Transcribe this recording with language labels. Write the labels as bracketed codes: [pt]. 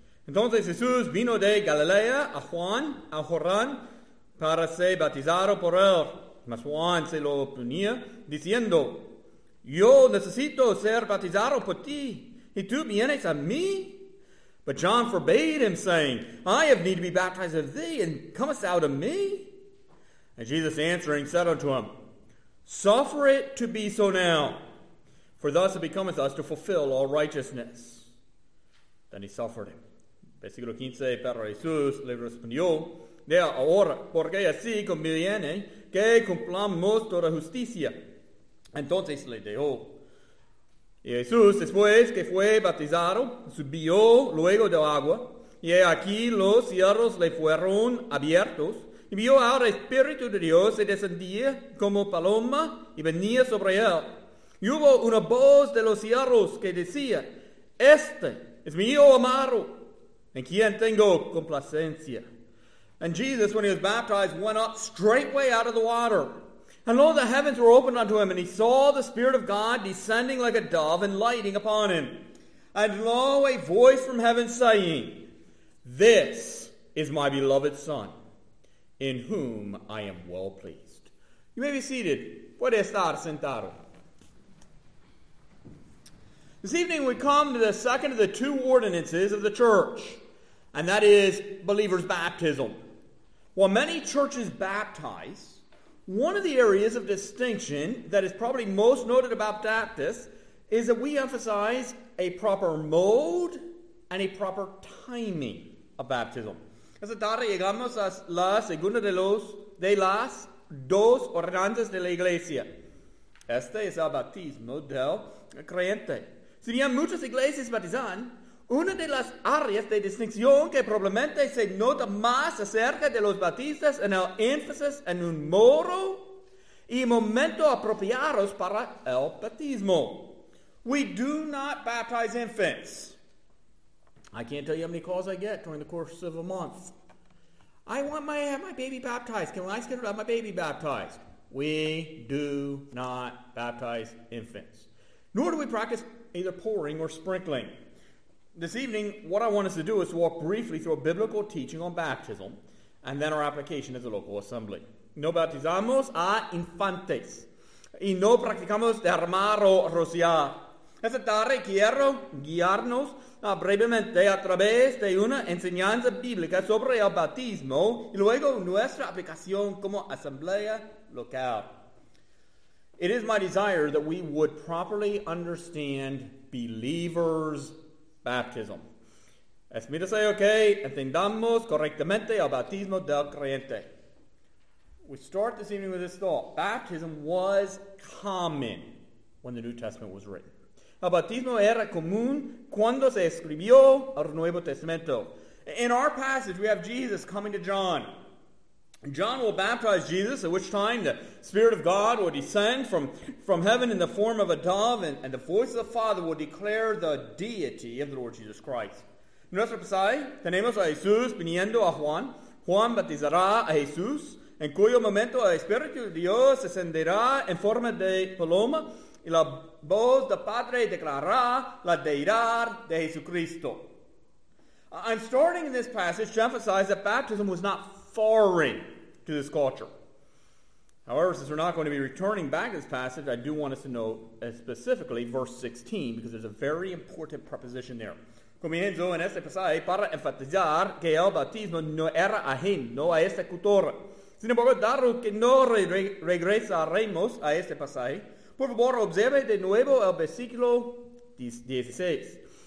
[es] Entonces Jesús vino de Galilea a Juan, a Jordán, para ser bautizado por él. Mas Juan se lo oponía, diciendo, Yo necesito ser bautizado por ti, y tú vienes a mí. [en] But John forbade him, saying, I have need to be baptized of thee, and comest thou to me? And Jesus answering said unto him, Suffer it to be so now, for thus it becometh us to fulfill all righteousness. Then he suffered him. [es] Versículo 15, pero Jesús le respondió, De ahora, porque así conviene que cumplamos toda justicia. Entonces le dejó. Y Jesús, después que fue bautizado, subió luego del agua, y aquí los cielos le fueron abiertos, y vio ahora el Espíritu de Dios y descendía como paloma y venía sobre él. Y hubo una voz de los cielos que decía, Este es mi hijo amado, en quien tengo complacencia. [en] And Jesus, when he was baptized, went up straightway out of the water. And lo, the heavens were opened unto him, and he saw the Spirit of God descending like a dove and lighting upon him. And lo, a voice from heaven saying, This is my beloved Son. In whom I am well pleased. You may be seated. [es] Puede estar sentado. [en] This evening we come to the second of the two ordinances of the church, and that is believers' baptism. While many churches baptize, one of the areas of distinction that is probably most noted about Baptists is that we emphasize a proper mode and a proper timing of baptism. [es] Esta tarde llegamos a la segunda de las dos ordenanzas de la iglesia. Este es el bautismo del creyente. Si bien muchas iglesias bautizan, una de las áreas de distinción que probablemente se nota más acerca de los bautistas en el énfasis en un modo y momento apropiados para el bautismo. [en] We do not baptize infants. I can't tell you how many calls I get during the course of a month. I want my baby baptized. Can I schedule my baby baptized? We do not baptize infants. Nor do we practice either pouring or sprinkling. This evening, what I want us to do is walk briefly through a biblical teaching on baptism and then our application as a local assembly. [es] No bautizamos a infantes y no practicamos derramar o rociar. Esta tarde quiero guiarnos brevemente a través de una enseñanza bíblica sobre el bautismo y luego nuestra aplicación como asamblea local. [en] It is my desire that we would properly understand believers' baptism. [es] Es mi deseo que entendamos correctamente el bautismo del creyente. [en] We start this evening with this thought. Baptism was common when the New Testament was written. [es] El bautismo era común cuando se escribió el Nuevo Testamento. [en] In our passage, we have Jesus coming to John. John will baptize Jesus, at which time the Spirit of God will descend from heaven in the form of a dove, and the voice of the Father will declare the deity of the Lord Jesus Christ. [es] En nuestro pasaje, tenemos a Jesús viniendo a Juan. Juan bautizará a Jesús, en cuyo momento el Espíritu de Dios descenderá en forma de paloma, y la voz del Padre declarará la deidad de Jesucristo. [en] I'm starting in this passage to emphasize that baptism was not foreign to this culture. However, since we're not going to be returning back to this passage, I do want us to note specifically verse 16, because there's a very important preposition there. [es] Comienzo en este pasaje para enfatizar que el bautismo no era ajeno, no a esta cultura. Sin embargo, dado que no regresaremos a este pasaje, por favor, observe de nuevo el versículo 16.